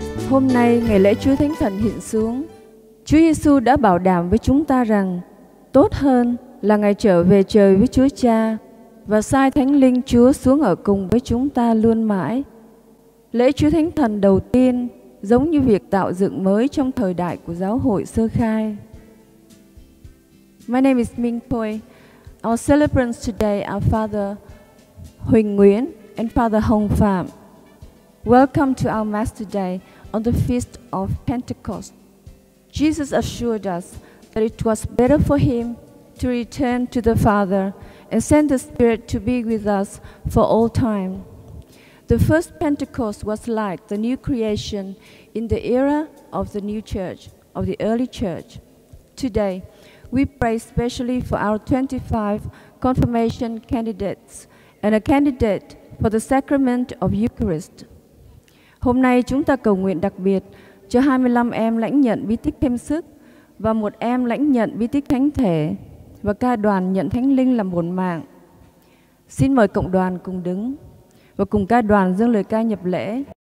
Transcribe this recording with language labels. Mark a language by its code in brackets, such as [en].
[vi] Hôm nay ngày lễ Chúa Thánh Thần hiện xuống, Chúa Giêsu đã bảo đảm với chúng ta rằng tốt hơn là Ngài trở về trời với Chúa Cha và sai Thánh Linh Chúa xuống ở cùng với chúng ta luôn mãi. Lễ Chúa Thánh Thần đầu tiên giống như việc tạo dựng mới trong thời đại của giáo hội sơ khai. [en] My name is Minh Poi. Our celebrants today are Father Huỳnh Nguyễn and Father Hồng Phạm. Welcome to our Mass today on the Feast of Pentecost. Jesus assured us that it was better for him to return to the Father and send the Spirit to be with us for all time. The first Pentecost was like the new creation in the era of the new church, of the early church. Today, we pray specially for our 25 confirmation candidates and a candidate for the sacrament of Eucharist. [vi] Hôm nay chúng ta cầu nguyện đặc biệt cho 25 em lãnh nhận bí tích thêm sức và một em lãnh nhận bí tích thánh thể và ca đoàn nhận thánh linh làm bổn mạng. Xin mời cộng đoàn cùng đứng và cùng ca đoàn dâng lời ca nhập lễ.